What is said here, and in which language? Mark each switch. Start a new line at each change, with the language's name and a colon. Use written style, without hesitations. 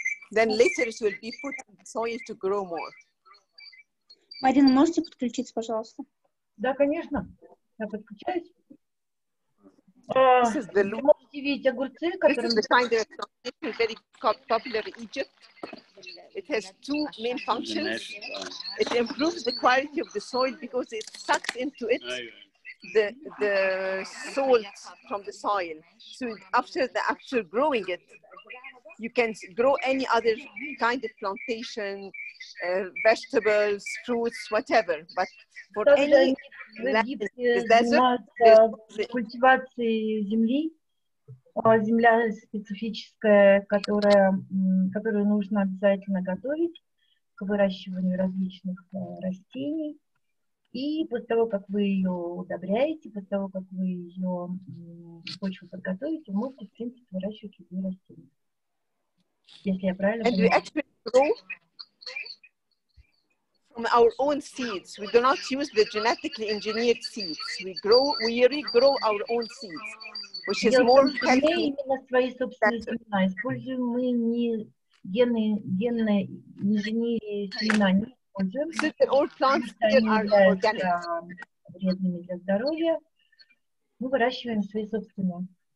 English: Then later it will be put in the soil to grow more.
Russian: Марина, можете подключиться, пожалуйста? Да, конечно. Я подключаюсь. Вы можете видеть огурцы, которые...
English: This is the kind of plantation very popular in Egypt. It has two main functions. It improves the quality of the soil because it sucks into it the salt from the soil. So after the actual growing it, you can grow any other kind of plantation, vegetables, fruits, whatever. But for any
Russian: культивации земли, земля специфическая, которую нужно обязательно готовить к выращиванию различных растений. И после того, как вы ее удобряете, после того, как вы ее почву подготовите, вы можете, в принципе, выращивать любые растения.
English: And we actually grow from our own seeds. We do not use the genetically engineered seeds. We regrow our own seeds, which is more healthy.
Russian: Мы именно свои собственные семена используем. Мы не генные инженерии семена не используем.
English: Since all plants are organic,
Russian: вредными для здоровья, мы выращиваем свои собственные.